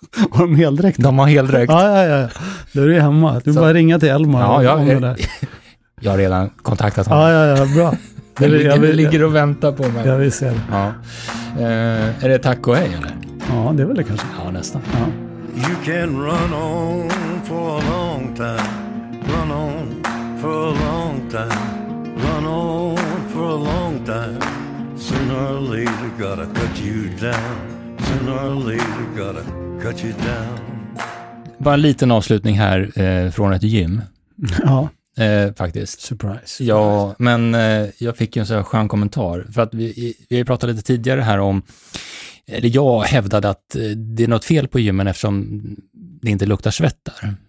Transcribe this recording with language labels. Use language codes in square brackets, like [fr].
[sv] Har de heldräkt? De har heldräkt. Ja. Då är du hemma. Du bara ringa till Elmar. Ja, jag har redan kontaktat honom. Ja, bra. Ligger och väntar på mig. Jag vill se det. Ja. Är det tack och hej eller? Ja, det är väl det kanske. Ja, nästan. Ja. [en] You can run on for a long time. Run on for a long time. Run on for a long time. Sooner or later gotta cut you down. Sooner or later gotta cut you down. [sv] Bara en liten avslutning här från ett gym. Ja. Faktiskt. [en] Surprise. [sv] Ja, men jag fick ju en så här skön kommentar. För att vi har pratat lite tidigare här om... Eller jag hävdade att det är något fel på gymmen eftersom det inte luktar svett där.